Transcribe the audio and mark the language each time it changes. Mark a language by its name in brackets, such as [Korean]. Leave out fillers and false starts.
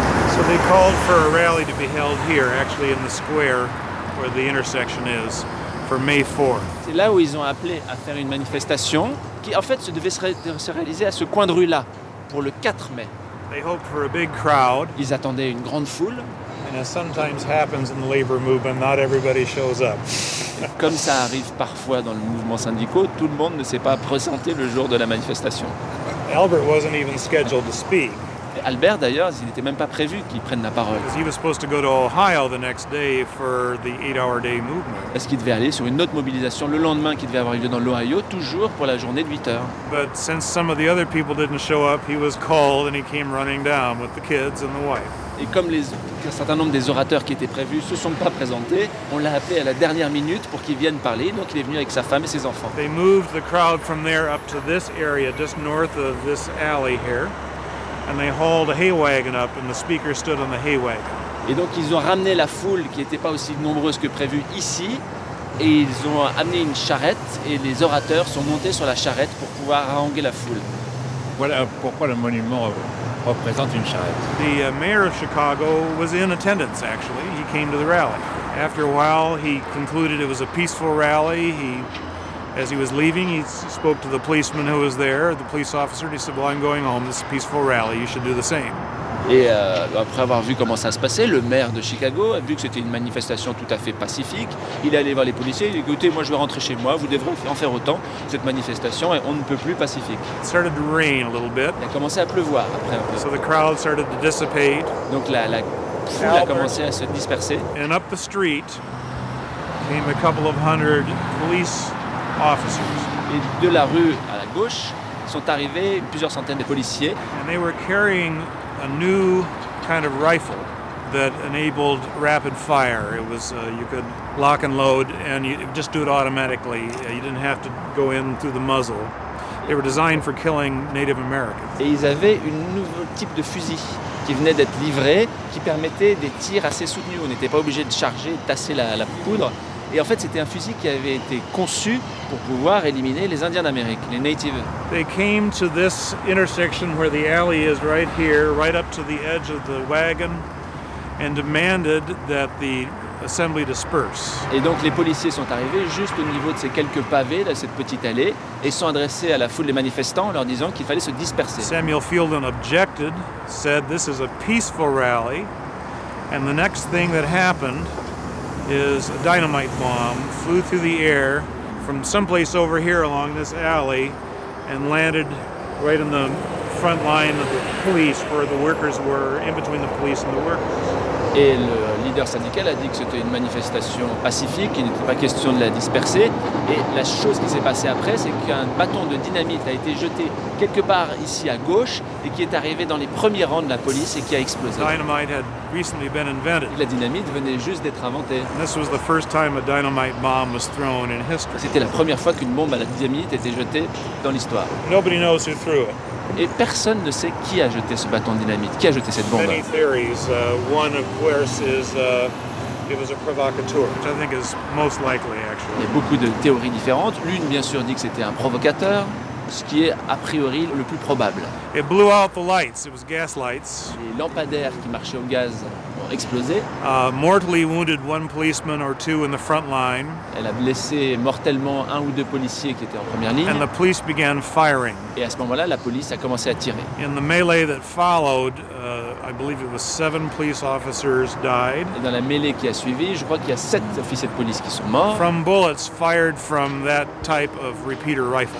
[English] So they called for a rally to be held here, actually in the square where the intersection is, for May 4th. [French] C'est là où ils ont appelé à faire une manifestation qui, en fait, se réaliser à ce coin de rue-là, pour le 4 mai. [English] They hope for a big crowd. [French] Ils attendaient une grande foule. [English] And as sometimes happens in the labor movement, not everybody shows up. [French] Comme ça arrive parfois dans le mouvement syndical, tout le monde ne s'est pas présenté le jour de la manifestation. [English] Albert wasn't even scheduled to speak. [French] Et Albert, d'ailleurs, il n'était même pas prévu qu'il prenne la parole. [English] He was supposed to go to Ohio the next day for the 8-hour day movement. [French] Parce qu'il devait aller sur une autre mobilisation le lendemain qui devait avoir lieu dans l'Ohio, toujours pour la journée de 8 heures. [English] But since some of the other people didn't show up, he was called and he came running down with the kids and the wife. [French] Et comme un certain nombre des orateurs qui étaient prévus ne se sont pas présentés, on l'a appelé à la dernière minute pour qu'il vienne parler, donc il est venu avec sa femme et ses enfants. [English] They moved the crowd from there up to this area, just north of this alley here. And they hauled a hay wagon up, and the speaker stood on the hay wagon. [French] Et donc ils ont ramené la foule qui n'était pas aussi nombreuse que prévu ici, et ils ont amené une charrette, et les orateurs sont montés sur la charrette pour pouvoir haranguer la foule. Voilà pourquoi le monument représente une charrette. [English] The mayor of Chicago was in attendance, actually. He came to the rally. After a while, he concluded it was a peaceful rally. As he was leaving, he spoke to the policeman who was there, the police officer, and he said, well, I'm going home. This is a peaceful rally. You should do the same. [French] Et après avoir vu comment ça se passait, le maire de Chicago a vu que c'était une manifestation tout à fait pacifique. Il est allé voir les policiers, il a dit, écoutez, moi je vais rentrer chez moi, vous devrez en faire autant. Cette manifestation est on ne peut plus pacifique. [English] It started to rain a little bit. [French] Il a commencé à pleuvoir après un peu. [English] So the crowd started to dissipate. [French] Donc la foule a commencé à se disperser. [English] And up the street came a couple of hundred police officers. [French] Et de la rue à la gauche sont arrivés plusieurs centaines de policiers. [English] And they were carrying a new kind of rifle that enabled rapid fire. It was you could lock and load, and you just do it automatically. You didn't have to go in through the muzzle. They were designed for killing Native Americans. [French] Et ils avaient un nouveau type de fusil qui venait d'être livré, qui permettait des tirs assez soutenus. On n'était pas obligé de charger, de tasser la poudre. Et en fait, c'était un fusil qui avait été conçu pour pouvoir éliminer les Indiens d'Amérique, les Natives. [English] They came to this intersection where the alley is right here, right up to the edge of the wagon, and demanded that the assembly disperse. [French] Et donc, les policiers sont arrivés juste au niveau de ces quelques pavés, de cette petite allée, et sont adressés à la foule des manifestants en leur disant qu'il fallait se disperser. [English] Samuel Fielden objected, said this is a peaceful rally, and the next thing that happened is a dynamite bomb flew through the air from someplace over here along this alley and landed right in the front line of the police where the workers were, in between the police and the workers. [French] Et le leader syndical a dit que c'était une manifestation pacifique, qu'il n'était pas question de la disperser. Et la chose qui s'est passée après, c'est qu'un bâton de dynamite a été jeté quelque part ici à gauche et qui est arrivé dans les premiers rangs de la police et qui a explosé. [English] Dynamite had recently been invented. [French] La dynamite venait juste d'être inventée. [English] This was the first time a dynamite bomb was thrown in history. [French] C'était la première fois qu'une bombe à la dynamite était jetée dans l'histoire. [English] Nobody knows who threw it. [French] Et personne ne sait qui a jeté ce bâton de dynamite, qui a jeté cette bombe. [English] Many theories. One of course is it was a provocateur, which I think is most likely actually. [French] Il y a beaucoup de théories différentes. L'une, bien sûr, dit que c'était un provocateur, ce qui est a priori le plus probable. [English] It blew out the lights. It was gas lights. [French] Les lampadaires qui marchaient au gaz ont explosé. [English] Mortally wounded one policeman or two in the front line. [French] Elle a blessé mortellement un ou deux policiers qui étaient en première ligne. [English] And the police began firing. [French] Et à ce moment-là, la police a commencé à tirer. [English] In the melee that followed, I believe it was 7 police officers died. [French] Et dans la mêlée qui a suivi, je crois qu'il y a 7 officiers de police qui sont morts. [English] From bullets fired from that type of repeater rifle.